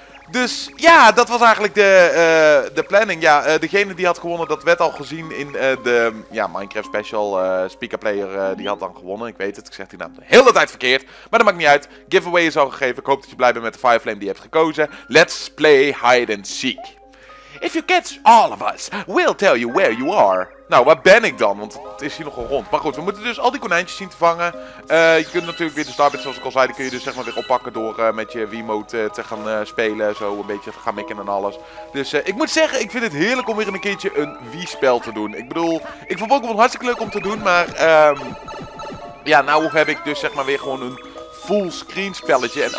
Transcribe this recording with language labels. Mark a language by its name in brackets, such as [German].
[Dutch] Dus ja, dat was eigenlijk de planning. Ja, degene die had gewonnen, dat werd al gezien in de Minecraft Special. Speaker Player, die had dan gewonnen. Ik weet het, ik zeg die naam de hele tijd verkeerd. Maar dat maakt niet uit. Giveaway is al gegeven. Ik hoop dat je blij bent met de Fireflame die je hebt gekozen. [English] Let's play hide and seek. If you catch all of us, we'll tell you where you are. [Dutch] Nou, waar ben ik dan? Want het is hier nogal rond. Maar goed, we moeten dus al die konijntjes zien te vangen. Je kunt natuurlijk weer de starbits, zoals ik al zei, die kun je dus zeg maar weer oppakken door met je Wiimote te gaan spelen. Zo een beetje te gaan mikken en alles. Dus ik moet zeggen, ik vind het heerlijk om weer een keertje een Wii-spel te doen. Ik bedoel, ik vond Pokémon hartstikke leuk om te doen, maar nou heb ik dus zeg maar weer gewoon een fullscreen spelletje.